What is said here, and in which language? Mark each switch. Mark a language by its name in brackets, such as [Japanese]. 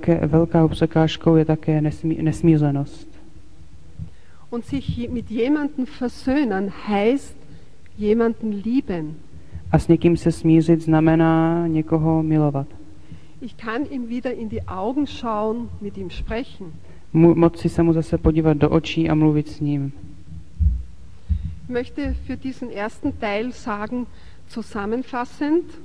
[Czech] Velká překážkou je také nesmířenost. [German] Und sich mit jemandem versöhnen heißt jemanden lieben. [Czech] A s někým se smířit znamená někoho milovat. [German] Ich kann ihm wieder in die Augen schauen, mit ihm sprechen. [Czech] Moci se mu zase podívat do očí a mluvit s ním. [German] Ich möchte für diesen ersten Teil sagen, zusammenfassend,